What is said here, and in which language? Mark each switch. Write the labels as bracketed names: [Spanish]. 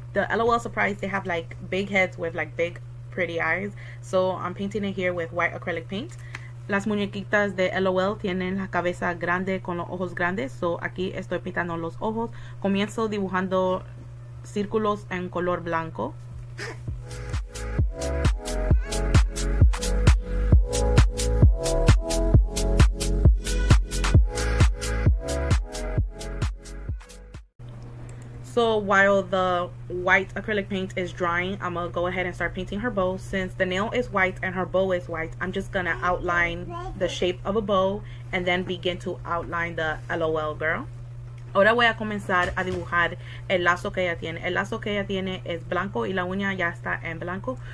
[English] The LOL Surprise, they have like big heads with like big, pretty eyes. So, I'm painting it here with white acrylic paint. [Spanish] Las muñequitas de LOL tienen la cabeza grande con los ojos grandes. So, aquí estoy pintando los ojos. Comienzo dibujando círculos en color blanco. [English] So while the white acrylic paint is drying, I'm gonna go ahead and start painting her bow. Since the nail is white and her bow is white, I'm just gonna outline the shape of a bow and then begin to outline the LOL girl. [Spanish] Ahora voy a comenzar a dibujar el lazo que ella tiene. El lazo que ella tiene es blanco y la uña ya está en blanco.